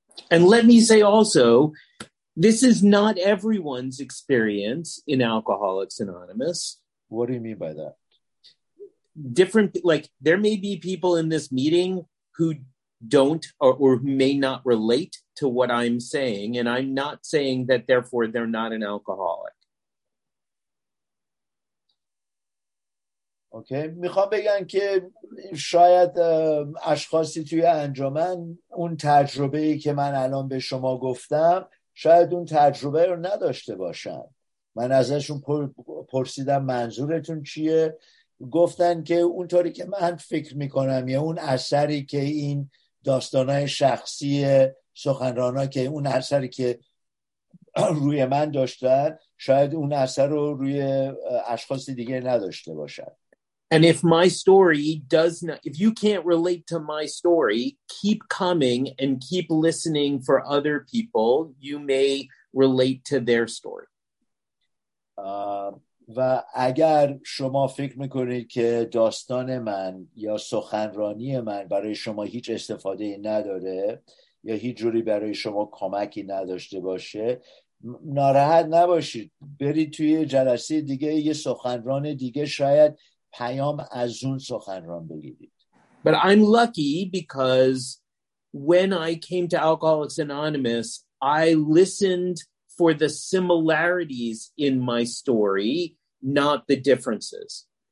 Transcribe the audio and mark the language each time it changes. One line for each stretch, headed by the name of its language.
English: And let me say also, this is not everyone's experience in Alcoholics Anonymous. What do you mean by that? Different, like, there may be people in this meeting who don't or who may not relate to what I'm saying, and I'm not saying that therefore they're not an alcoholic.
Persian: اوکی میخوام بگم که شاید اشخاصی توی انجمن اون تجربه‌ای که من الان به شما گفتم شاید اون تجربه رو نداشته باشن. من ازشون پرسیدم منظورتون چیه، گفتن که اونطوری که من فکر میکنم یا اون اثری که این داستانای شخصی سخنرانا که اون اثری که روی من داشتن شاید اون اثر رو روی اشخاص دیگه نداشته باشن.
English: And if my story does not, if you can't relate to my story, keep coming and keep listening for other people. You may relate to their story.
Persian: و اگر شما فکر میکنید که داستان من یا سخنرانی من برای شما هیچ استفاده نداره یا هیچ جوری برای شما کمکی نداشته باشه، ناراحت نباشید. برید توی جلسه دیگه یه سخنران دیگه، شاید پیام از اون سخنران بگیرید.
English: But I'm lucky because when I came to Alcoholics Anonymous, I listened for the similarities in my story, not the differences.